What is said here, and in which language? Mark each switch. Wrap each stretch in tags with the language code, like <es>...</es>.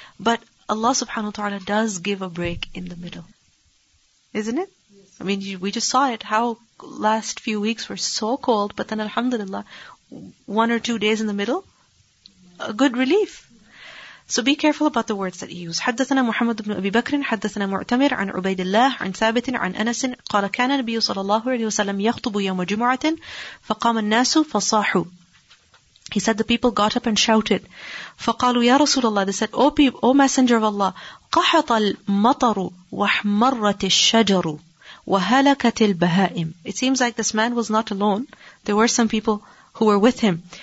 <en>But Allah subhanahu wa ta'ala does give a break in the middle. Isn't it? I mean, we just saw it, how last few weeks were so cold, but then alhamdulillah, 1 or 2 days in the middle, a good relief. So be careful about the words that you use.</en> <ar>حدثنا محمد بن أبي بكر حدثنا معتمر عن عبيد الله عن ثابت عن أنس قال كان النبي صلى الله عليه وسلم يخطب يوم جمعة فقام الناس فصاحوا.</ar> <en>He said the people got up and shouted.</en> <ar>فقالوا يا رسول الله.</ar> <en>They said, O Messenger of Allah,</en> <ar>قحط المطر وحمرت الشجر وهلكت البهائم.</ar> <en>It seems like this man was not alone. There were some people who were with him.</en>